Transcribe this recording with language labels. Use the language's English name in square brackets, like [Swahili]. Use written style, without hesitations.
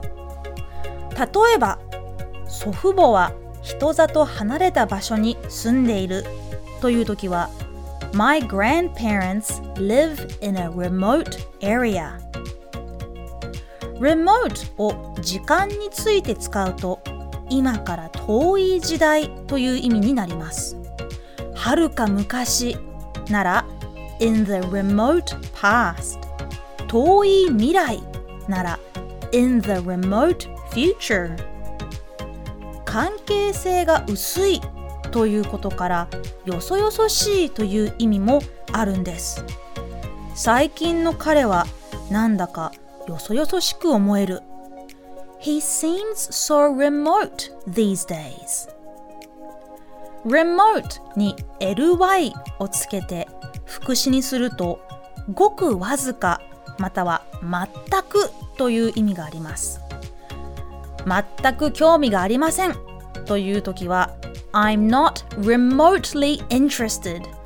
[Japanese] 例えば祖父母は人里離れた場所に住んでいるという時は [English] My grandparents live in a remote area。 [Japanese] Remote を時間について使うと今から遠い時代という意味になります。はるか昔なら [English] In the remote past。 [Japanese] 遠い未来なら [English] In the remote future。 [Japanese] 関係性が薄いということからよそよそしいという意味もあるんです。最近の彼はなんだかよそよそしく思える。 [English] He seems so remote these days。 [Japanese] Remote に ly をつけて副詞にするとごくわずか、または全くという意味があります。全く興味がありませんという時は [English] I'm not remotely interested。